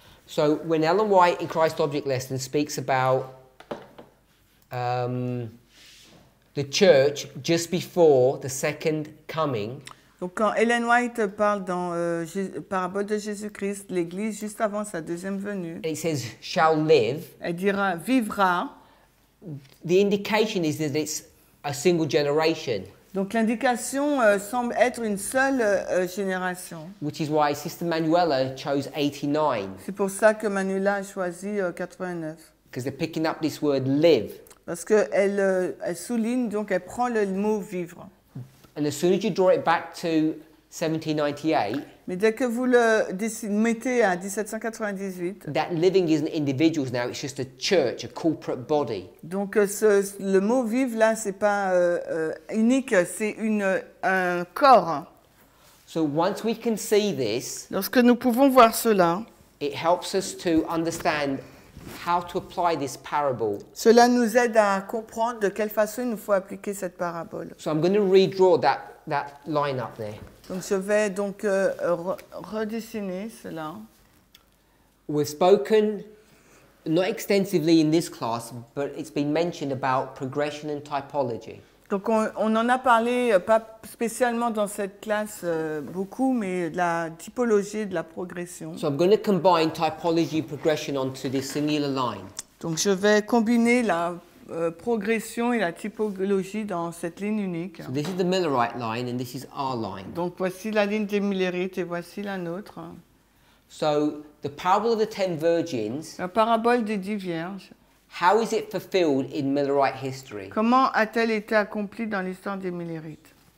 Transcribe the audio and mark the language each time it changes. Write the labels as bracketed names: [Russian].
[English] So when Ellen White in Christ Object Lesson speaks about the church just before the second coming. [French] Donc quand Ellen White parle dans parabole de Jésus-Christ, l'Église juste avant sa deuxième venue, [English] it says, shall live, [French] elle dira vivra. [English] The indication is that it's a single generation. [French] Donc l'indication semble être une seule génération. [English] Which is why Sister Manuela chose 89. [French] C'est pour ça que Manuela a choisi 89. [English] Because they're picking up this word live. [French] Parce que elle souligne donc elle prend le mot vivre. [English] And as soon as you draw it back to 1798. [French] Mais dès que vous le mettez à 1798. [English] That living isn't individuals now, it's just a church, a corporate body. [French] Donc le mot vivre là, c'est pas unique, c'est un corps. [English] So once we can see this. [French] Lorsque nous pouvons voir cela. [English] It helps us to understand how to apply this parable. [French] Cela nous aide à comprendre de quelle façon il nous faut appliquer cette parabole. [English] So I'm going to redraw that line up there. [French] Donc je vais donc redessiner cela. [English] We've spoken not extensively in this class, but it's been mentioned about progression and typology. [French] Donc on en a parlé pas spécialement dans cette classe beaucoup, mais de la typologie de la progression. [English] So I'm going to combine typology and progression onto this singular line. [French] Donc je vais combiner la progression et la typologie dans cette ligne unique. [English] So this is the Millerite line and this is our line. [French] Donc voici la ligne des Millerites et voici la nôtre. [English] So the parable of the ten virgins. [French] La parabole des 10 vierges. [English] How is it fulfilled in Millerite history? [French] Comment a-t-elle été accomplie dans l'histoire des Millerites?